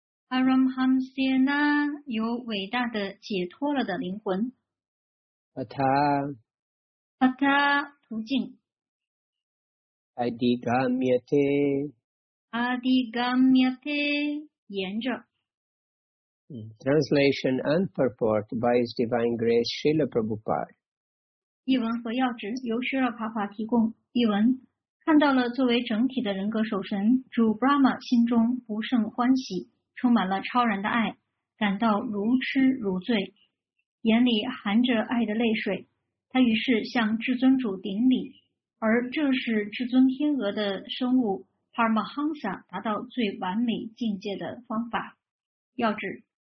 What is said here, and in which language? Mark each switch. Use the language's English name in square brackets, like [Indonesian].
[Chinese] Paramahamsena, 有伟大的解脱了的灵魂。 [Sanskrit] Pata, [Chinese] Pata, 途径。 [Sanskrit] Adigamyate, [Chinese] Adigamyate, 沿着。 [English] Translation and purport by His Divine Grace Srila Prabhupada. [Chinese] 译文和要旨由 Srila Prabhupada 提供。译文：看到了作为整体的人格守神，主 Brahma 心中不胜欢喜，充满了超然的爱，感到如痴如醉，眼里含着爱的泪水。他于是向至尊主顶礼，而这是至尊天鹅的生物 Paramahansa 达到最完美境界的方法。要旨。